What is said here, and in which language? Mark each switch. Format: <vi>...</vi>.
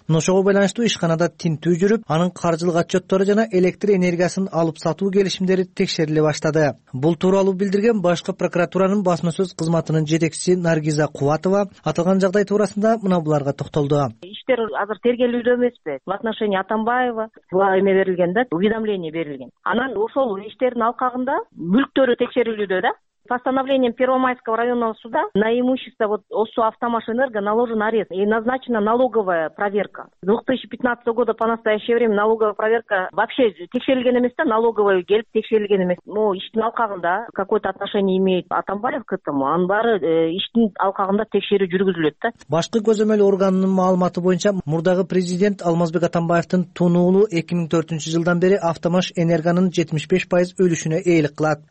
<ky>Ошого байланыштуу ишканада тинтүү жүрүп, анын каржылык отчеттери жана электр энергиясын алып сатуу келишимдери текшериле баштады. Бул тууралуу билдирген башкы прокуратуранын басмасөз кызматынын жетекчиси Наргиза Кубатова аталган жагдай туурасында мына буларга токтолду. Иштер азыр тергелүүдө эмеспи?</ky> <ru>В отношении Атамбаева</ru> <ky>буга эме берилген да, уведомление берилген. Анан ошол иштердин алкагында мүлктөрү текшерилүүдө да.</ky> <ru>Постановлением Первомайского районного суда на имущество вот ОСУ «Автомаш энерго» наложен арест и назначена налоговая проверка. 2015 года по настоящее время налоговая проверка вообще</ru> <ky>текшерилген эмес да,</ky> <ru>налоговая</ru> <ky>келип текшерилген эмес. Ну, иштин алкагында</ky> <ru>какое-то отношение имеет Атамбаев к этому,</ru> <ky>анын баары иштин алкагында текшерүү жүргүзүлөт да. Башкы көзөмөл органынын маалыматы боюнча мурдагы президент Алмазбек Атамбаевдин тунуулу 2004 жылдан бери «Автомаш энергонун 75% өлүшүнө ээлик кылат.</ky>